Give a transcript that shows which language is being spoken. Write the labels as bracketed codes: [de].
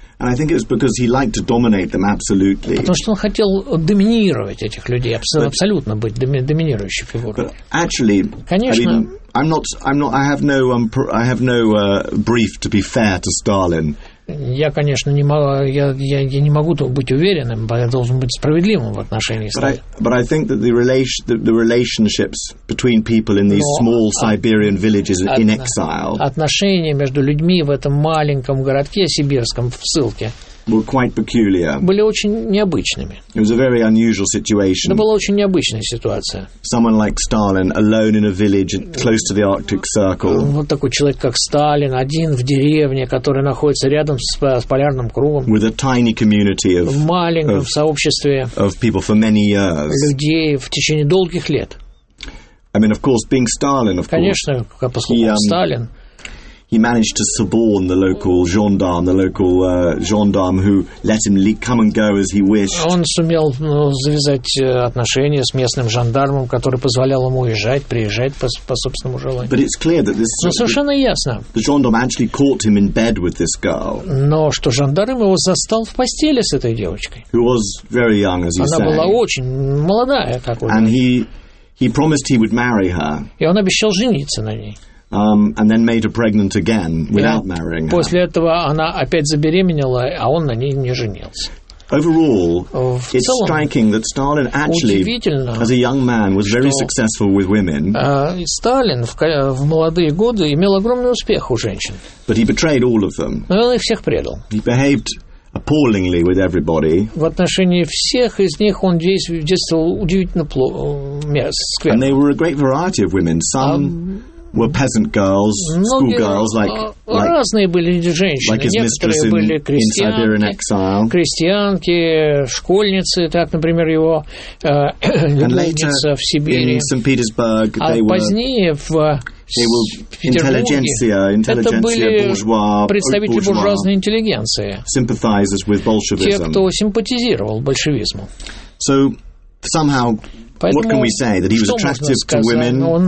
[en] And I think it's because he liked to dominate them absolutely. [ru] Потому что он хотел доминировать этих людей, абсолютно быть доминирующей фигурой. [en] But actually, конечно, I have no brief to be fair to Stalin. [ru] Я, конечно, не могу, я не могу быть уверенным, но я должен быть справедливым в отношении Сталина. [en] But I think that the relationships between people in these small Siberian villages in exile. [ru] Отношения между людьми в этом маленьком городке сибирском в ссылке. [en] Were quite peculiar. [ru] Были очень необычными. [en] It was a very unusual situation. [ru] Это была очень необычная ситуация. [en] Someone like Stalin, alone in a village close to the Arctic Circle. [ru] Вот такой человек, как Сталин, один в деревне, которая находится рядом с полярным кругом. [en] With a tiny community of. [ru] В маленьком сообществе. [en] Of people for many years. [ru] Людей в течение долгих лет. [en] I mean, of course, being Stalin, of [ru] Конечно, [en] course. [ru] Конечно, поскольку он Сталин. [en] He managed to suborn the local gendarme who let him come and go as he wished. [ru] Он сумел завязать отношения с местным жандармом, который позволял ему уезжать, приезжать по собственному желанию. [en] But it's clear that this. [ru] Но совершенно ясно. [en] The gendarme actually caught him in bed with this girl. [ru] Но что жандарм его застал в постели с этой девочкой. [en] Who was very young, as you say. [ru] Она была очень молодая, как он. [en] And he promised he would marry her. [ru] И он обещал жениться на ней. [en] And then made her pregnant again without marrying her. [ru] После этого она опять забеременела, а он на ней не женился. [en] Overall, it's striking that Stalin actually, as a young man, was very successful with women. [ru] Сталин в молодые годы имел огромный успех у женщин. [en] But he betrayed all of them. [ru] Но он их всех предал. [en] He behaved appallingly with everybody. [ru] В отношении всех из них он действовал удивительно скверно. [en] And they were a great variety of women. Some were peasant girls, school girls, like [ru] разные были женщины. [en] Like his mistress in Siberian exile. [ru] Крестьянки, школьницы, так, например, его любовница в Сибири. [en] In St. Petersburg, they were. [ru] А позднее в Интеллигенция, буржуа, представители буржуазной интеллигенции. [en] Sympathizers with Bolshevism. [ru] Те, кто симпатизировал большевизму. [en] So somehow. [ru] Поэтому, [en] what can we say that he was attractive to women?